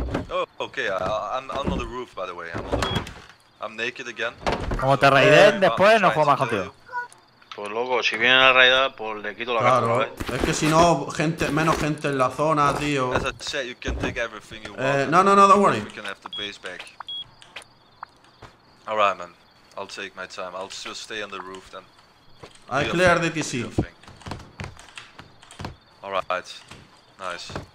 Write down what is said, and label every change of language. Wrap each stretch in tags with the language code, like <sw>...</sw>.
<en>Oh, okay, I'm on the roof, by the way. I'm on the roof. I'm naked again.</en> <es>Como te raiden, después no juego más contigo. Pues loco, si vienen a raidar, pues le quito la cara. Claro, es que si no, gente, menos gente en la zona, tío.</es> <en>As I said, you can take everything you want. No, don't worry. We can have the base back. Alright, man. I'll take my time. I'll just stay on the roof then. I clear the PC. Alright. Nice.</en>